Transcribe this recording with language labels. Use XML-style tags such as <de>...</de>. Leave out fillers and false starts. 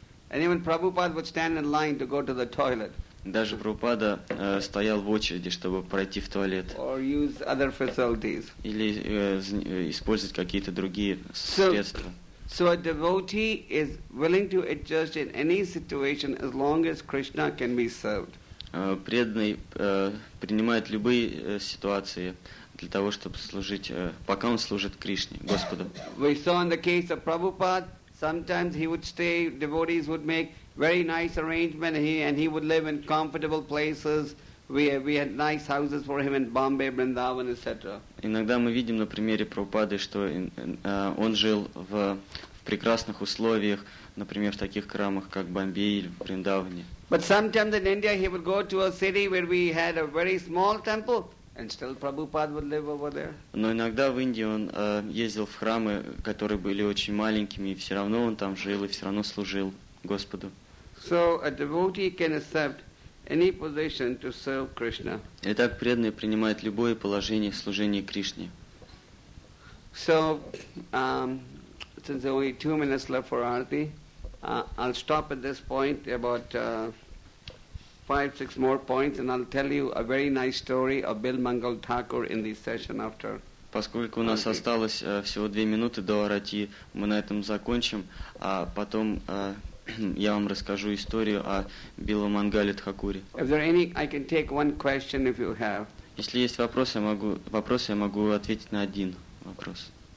<en>And even Prabhupada would stand in line to go to the toilet.</en> <ru>Даже Прабхупада стоял в очереди, чтобы пройти в туалет.</ru> <en>Or use other facilities.</en> <ru>Или использовать какие-то другие средства.</ru> <en>So a devotee is willing to adjust in any situation as long as Krishna can be served.</en> <ru>Преданный принимает любые ситуации для того, чтобы служить, пока он служит Кришне, Господу.</ru> <en>We saw in the case of Prabhupada, sometimes he would stay, devotees would make very nice arrangements and he would live in comfortable places. We had nice houses for him in Bombay, Vrindavan, etc.</en> <ru>Иногда мы видим на примере Прабхупады, что он жил в прекрасных условиях, например, в таких храмах, как Бомбей или Вриндаване.</ru> <en>But sometimes in India he would go to a city where we had a very small temple. And still Prabhupada would live over there.</en> <ru>Но иногда в Индии он ездил в храмы, которые были очень маленькими, и все равно он там жил, и все равно служил Господу.</ru> <en>So a devotee can accept any position to serve Krishna.</en> <ru>Итак, преданный принимает любое положение в служении Кришне.</ru> <en>So, since there are only 2 minutes left for Arati, I'll stop at this point about... 5-6 more points, and I'll tell you a very nice story of Bil Mangal Thakur in this session after.</en> <ru>Поскольку у нас осталось всего 2 минуты до арати, мы на этом закончим, а потом я вам расскажу историю о Билла Мангале Тхакуре.</ru> <en>If there any, I can take one question if you have.</en> <ru>Если есть вопросы, я могу ответить на один вопрос.</ru>